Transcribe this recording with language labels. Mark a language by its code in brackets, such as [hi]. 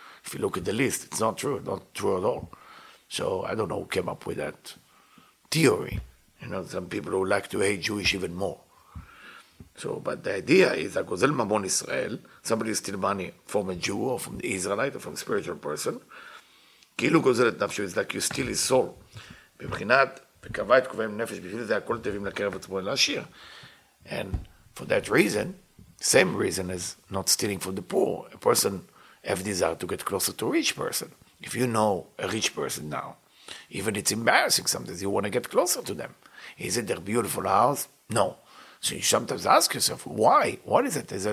[en] If you look at the list, it's not true. Not true at all. So I don't know who came up with that theory. You know, some people who like to hate Jewish even more. So, but the idea is that Gozel Mamon Israel, somebody steal money from a Jew or from the Israelite or from a spiritual person, [he] כאילו גוזל את נפשו, [en] it's like you steal his soul. [he] בבחינת, וקבע את קובעים נפש, בשביל זה הכל תביאים לקרב עצמו ולהשאיר. [en] And for that reason, same reason as not stealing for the poor, a person have desire to get closer to a rich person. If you know a rich person now, even it's embarrassing sometimes, you want to get closer to them. Is it their beautiful house? No. So you sometimes ask yourself, why? What is it?